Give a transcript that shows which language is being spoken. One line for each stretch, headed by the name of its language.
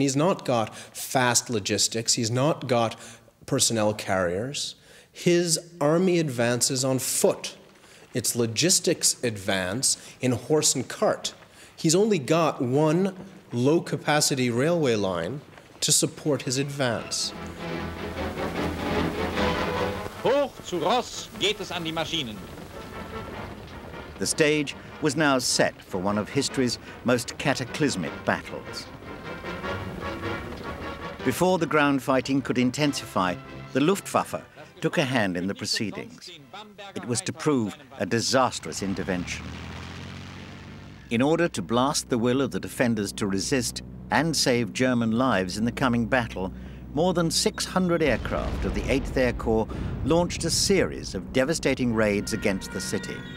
English: He's not got fast logistics. He's not got personnel carriers. His army advances on foot. Its logistics advance in horse and cart. He's only got 1 low capacity railway line to support his advance.
German: Hoch zu Ross geht es an die Maschinen.
English: The stage was now set for one of history's most cataclysmic battles. Before the ground fighting could intensify, the Luftwaffe took a hand in the proceedings. It was to prove a disastrous intervention. In order to blast the will of the defenders to resist and save German lives in the coming battle, more than 600 aircraft of the 8th Air Corps launched a series of devastating raids against the city.